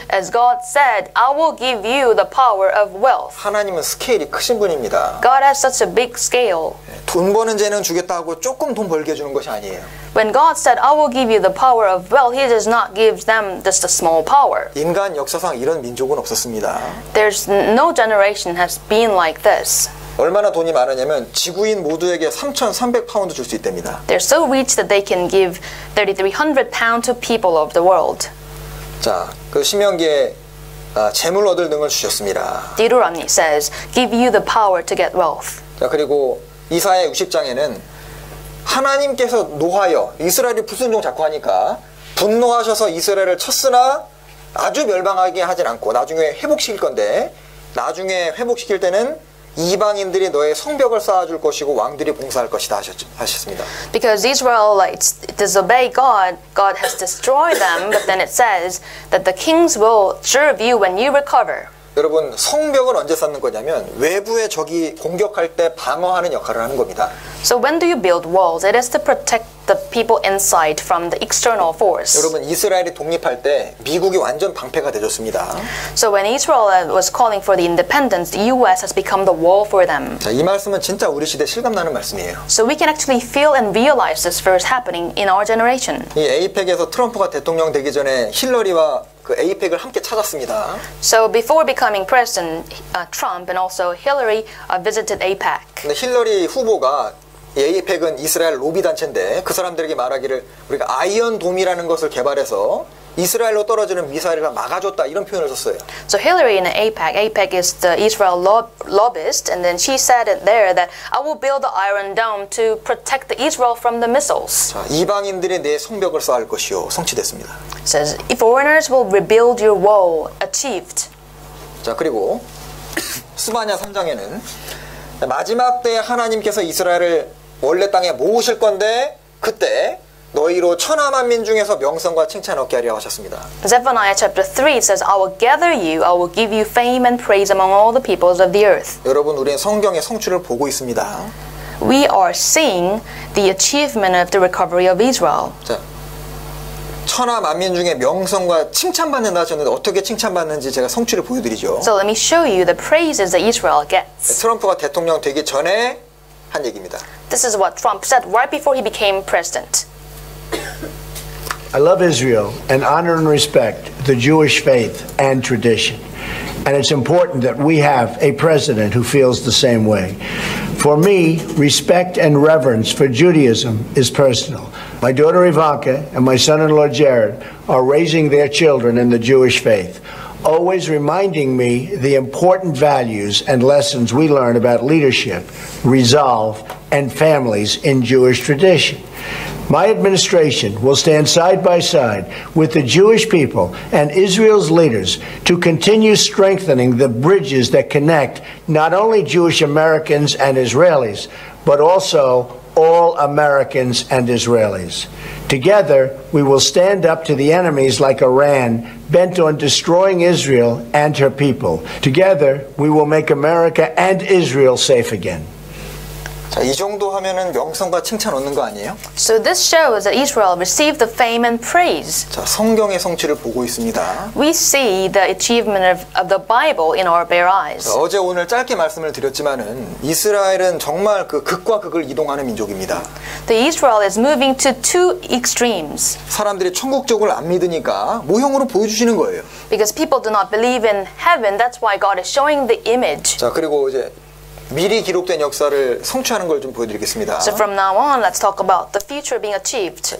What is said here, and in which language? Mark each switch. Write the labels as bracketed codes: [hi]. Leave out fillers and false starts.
[en] As God said, I will give you the power of wealth. [ko] 하나님은 스케일이 크신 분입니다. [en] God has such a big scale. [ko] 돈 버는 재능 주겠다고 조금 돈 벌게 주는 것이 아니에요. [en] When God said, I will give you the power of wealth, He does not give them just a small power. [ko] 인간 역사상 이런 민족은 없었습니다. [en] There's no generation has been like this. [ko] 얼마나 돈이 많으냐면 지구인 모두에게 3,300파운드 줄 수 있답니다. [en] They're so rich that they can give 3,300 pounds to people of the world. [ko] 자, 그 신명기에 재물 얻을 능을 주셨습니다. [en] Deuteronomy says, give you the power to get wealth. [ko] 자, 그리고 이사야 60장에는 하나님께서 노하여 이스라엘이 불순종 자꾸 하니까 분노하셔서 이스라엘을 쳤으나 아주 멸망하게 하진 않고 나중에 회복시킬 건데 나중에 회복시킬 때는 이방인들이 너의 성벽을 쌓아줄 것이고 왕들이 봉사할 것이다 하셨습니다. [en] Because Israelites disobey God, God has destroyed them, but then it says that the kings will serve you when you recover. [ko] 여러분, 성벽은 언제 쌓는 거냐면 외부의 적이 공격할 때 방어하는 역할을 하는 겁니다. [en] So when do you build walls? It is to protect the people inside from the external force. [ko] 여러분, 이스라엘이 독립할 때 미국이 완전 방패가 되었습니다. [en] So when Israel was calling for the independence, the US has become the wall for them. [ko] 자, 이 말씀은 진짜 우리 시대 실감나는 말씀이에요. [en] So we can actually feel and realize this first happening in our generation. [ko] 이 APEC에서 트럼프가 대통령 되기 전에 힐러리와 그 APEC을 함께 찾았습니다. [en] So before becoming president, Trump and also Hillary visited APEC. [ko] 근데 힐러리 후보가 APEC은 이스라엘 로비 단체인데 그 사람들에게 말하기를 우리가 아이언 돔이라는 것을 개발해서 이스라엘로 떨어지는 미사일을 막아줬다 이런 표현을 썼어요. [en] So Hillary in APEC, APEC is the Israel lobbyist, and then she said it there that I will build the Iron Dome to protect the Israel from the missiles. [ko] 자, 이방인들이 내 성벽을 쌓을 것이요 성취됐습니다. [en] Says if foreigners will rebuild your wall, achieved. [ko] 자 그리고 스바냐 3장에는 마지막 때 하나님께서 이스라엘을 원래 땅에 모으실 건데 그때 너희로 천하 만민 중에서 명성과 칭찬 얻게 하리라 하셨습니다. [en] Zephaniah chapter 3 says, I will gather you, I will give you fame and praise among all the peoples of the earth. [ko] 여러분, 우리는 성경의 성취를 보고 있습니다. [en] We are seeing the achievement of the recovery of Israel. [ko] 자, 천하 만민 중에 명성과 칭찬받는다 하셨는데 어떻게 칭찬받는지 제가 성취를 보여드리죠. [en] So let me show you the praises that Israel gets. [ko] 트럼프가 대통령 되기 전에 한 얘기입니다. [en] This is what Trump said right before he became president. I love Israel and honor and respect the Jewish faith and tradition. And it's important that we have a president who feels the same way. For me, respect and reverence for Judaism is personal. My daughter Ivanka and my son-in-law Jared are raising their children in the Jewish faith, always reminding me the important values and lessons we learn about leadership, resolve, and families in Jewish tradition. My administration will stand side by side with the Jewish people and Israel's leaders to continue strengthening the bridges that connect not only Jewish Americans and Israelis, but also all Americans and Israelis. Together, we will stand up to the enemies like Iran, bent on destroying Israel and her people. Together, we will make America and Israel safe again. [ko] 자, 이 정도 하면은 명성과 칭찬 얻는 거 아니에요? [en] So this shows that Israel received the fame and praise. [ko] 자, 성경의 성취를 보고 있습니다. [en] We see the achievement of the Bible in our bare eyes. [ko] 자, 어제 오늘 짧게 말씀을 드렸지만은 이스라엘은 정말 그 극과 극을 이동하는 민족입니다. [en] The Israel is moving to two extremes. [ko] 사람들이 천국 쪽을 안 믿으니까 모형으로 보여주시는 거예요. [en] Because people do not believe in heaven, that's why God is showing the image. [ko] 자, 그리고 이제 미리 기록된 역사를 성취하는 걸 좀 보여드리겠습니다. [en] So from now on, let's talk about the future being achieved.